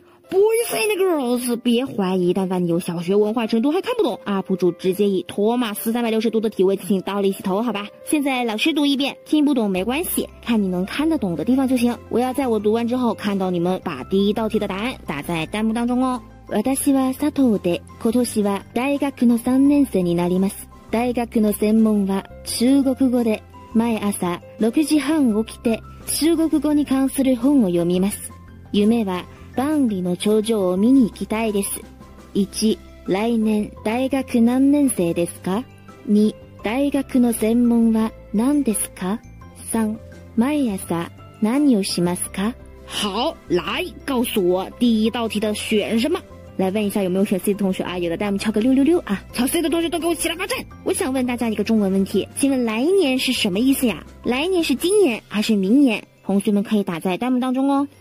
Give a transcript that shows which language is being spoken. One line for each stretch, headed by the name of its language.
English: Boys and girls，
Chinese: 别怀疑，但凡你有小学文化程度还看不懂， UP 主直接以托马斯360度的体位进行倒立洗头，好吧？现在老师读一遍，听不懂没关系，看你能看得懂的地方就行。我要在我读完之后，看到你们把第一道题的答案打在弹幕当中哦。
Japanese: 私は佐藤で、今年は大学の3年生になります。大学の専門は中国語で、毎朝6時半起きて中国語に関する本を読みます。夢は万里の長城を見に行きたいです。 1、来年大学何年生ですか ?2、大学の専門は何ですか ?3、毎朝何をしますか
Chinese: 好，来告诉我第一道题的选什么？来问一下有没有选 C 的同学啊？有的，带我们敲个666啊！敲 C 的同学都给我起来发站！我想问大家一个中文问题，请问来年是什么意思呀？来年是今年还是明年？同学们可以打在弹幕当中哦。